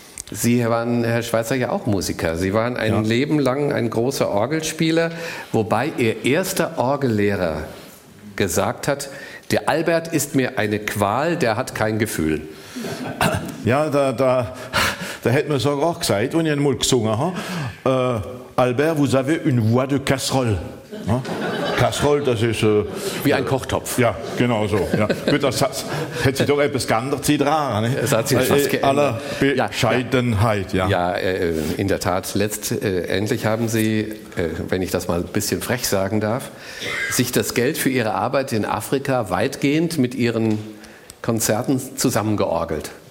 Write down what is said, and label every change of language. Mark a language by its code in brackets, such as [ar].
[de] Sie waren, Herr Schweitzer, ja auch Musiker. Sie waren ein Leben lang ein großer Orgelspieler, wobei Ihr erster Orgellehrer gesagt hat, der Albert ist mir eine Qual, der hat kein Gefühl. Ja, da hätte man es auch gesagt, wenn ich einmal gesungen habe. [fr] Albert, vous avez une voix de casserole. [de] Ja? Casserole, das ist... Wie ein Kochtopf. Ja, genau so. Ja. Gut, das hat sich doch etwas geändert. Dran, ne? Das hat sich fast geändert. Aller Bescheidenheit. Ja, in der Tat. Letztendlich haben Sie, wenn ich das mal ein bisschen frech sagen darf, sich das Geld für Ihre Arbeit in Afrika weitgehend mit Ihren Konzerten zusammengeorgelt.